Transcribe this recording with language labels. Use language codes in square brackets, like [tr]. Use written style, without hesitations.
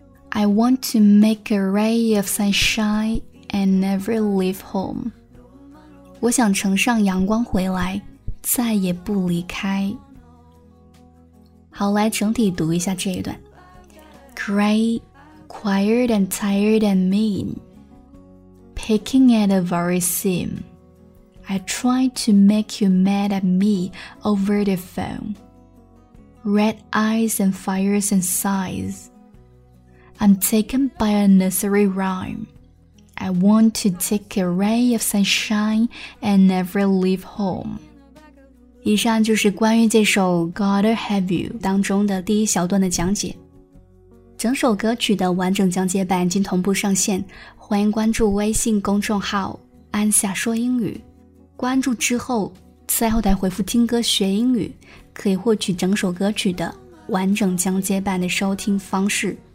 [en] I want to make a ray of sunshine and never leave home. [zh] 我想乘上阳光回来，再也不离开。好，来整体读一下这一段。 [en] Gray, quiet and tired and mean, picking at the very seam. I try to make you mad at me over the phone. Red eyes and fires and sighs. I'm taken by a nursery rhyme. I want to take a ray of sunshine and never leave home. [zh] 以上就是关于这首 Gotta Have You 当中的第一小段的讲解。整首歌曲的完整讲解版经同步上线，欢迎关注微信公众号安夏说英语。关注之后，在后台回复听歌学英语，可以获取整首歌曲的完整讲解版的收听方式。